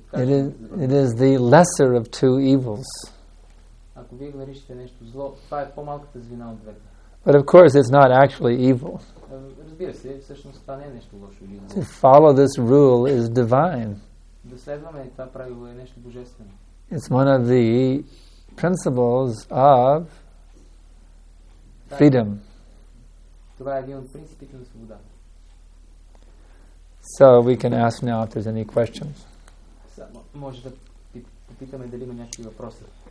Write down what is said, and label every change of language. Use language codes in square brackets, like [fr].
[en] it is the lesser of two evils. [bg] ако вие вършите нещо зло, това е по-малката звена от двете. [en] But of course it's not actually evil. [bg] Разбира се, всъщност това не е нещо лошо. [en] To follow this rule is divine. [bg] Да следваме това правило е нещо божествено. [en] It's one of the principles of freedom. [bg] Това е един от принципите на свобода. [en] So we can ask now if there's any questions. [bg] Може да попитаме дали има някакви въпроси.